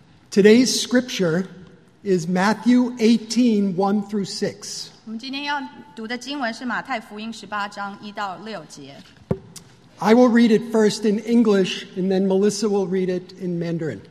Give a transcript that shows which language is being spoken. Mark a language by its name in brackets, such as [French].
[English] Today's scripture is Matthew 18, 1 through 6. [Chinese] 我们今天要读的经文是马太福音十八章一到六节。 [English] I will read it first in English, and then Melissa will read it in Mandarin.